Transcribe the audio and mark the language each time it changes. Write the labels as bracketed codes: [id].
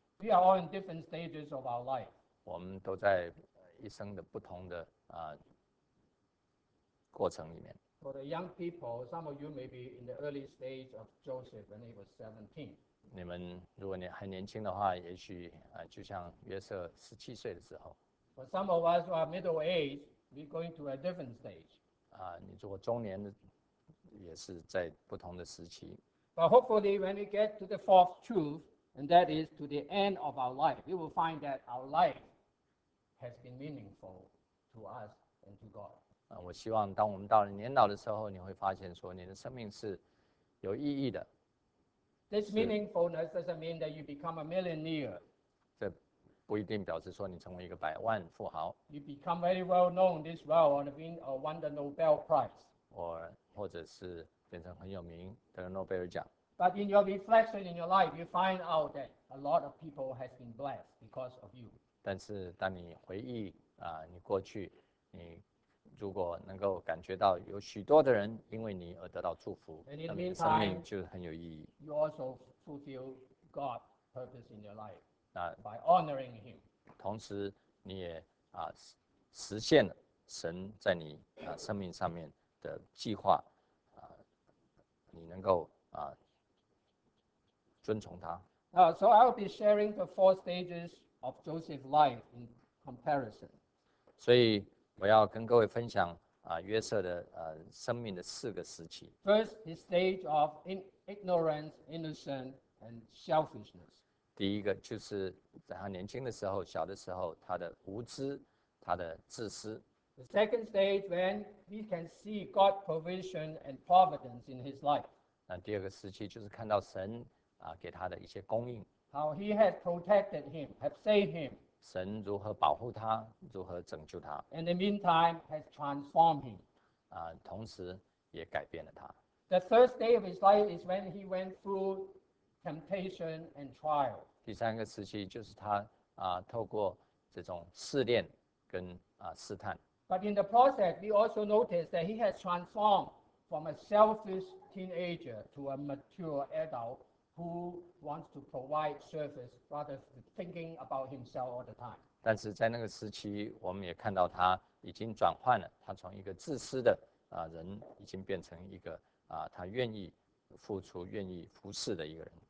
[en] We are all in different stages of our life. [zh] 我们都在一生的不同的过程里面。 [en] For the young people, some of you may be in the early stage of Joseph when he was 17. [zh] 你们如果你很年轻的话，也许就像约瑟17岁的时候。 [en] For some of us who are middle age, we're going to a different stage. [zh] 你如果中年的，也是在不同的时期。 [en] But hopefully, when we get to the fourth truth, and that is to the end of our life, we will find that our life has been meaningful to us and to God. [zh] 我希望当我们到了年老的时候，你会发现说你的生命是有意义的。 [en] This meaningfulness doesn't mean that you become a millionaire. [zh] 这不一定表示说你成为一个百万富豪。 [en] You become very well known this world and won the Nobel Prize. [zh] 或者是变成很有名，得了诺贝尔奖。 [en] But in your reflection in your life, you find out that a lot of people has been blessed because of you. [zh] 但是当你回忆你过去，你如果能够感觉到有许多的人因为你而得到祝福，那么你的生命就很有意义。 [en] You also fulfill God's purpose in your life by honoring Him. [zh] 同时，你也实现了神在你生命上面的计划，你能够遵从他。 [en] So I will be sharing the four stages of Joseph's life in comparison. [zh] 所以我要跟各位分享约瑟的生命的四个时期。 [en] First, his stage of ignorance, innocence, and selfishness. [zh] 第一个就是在他年轻的时候，小的时候，他的无知，他的自私。 [en] The second stage when he can see God's provision and providence in his life. [zh] 那第二个时期就是看到神给他的一些供应。 [en] How he has protected him, have saved him. [zh] 神如何保护他，如何拯救他 [en] ？In the meantime, has transformed him. [zh] 同时也改变了他。 [en] The first day of his life is when he went through temptation and trial. [zh] 第三个时期就是他透过这种试炼跟试探。 [en] But in the process, we also notice that he has transformed from a selfish teenager to a mature adult. Who wants to provide service rather than thinking about himself all the time? [zh] 但是在那个时期，我们也看到他已经转换了，他从一个自私的人，已经变成一个他愿意付出、愿意服侍的一个人。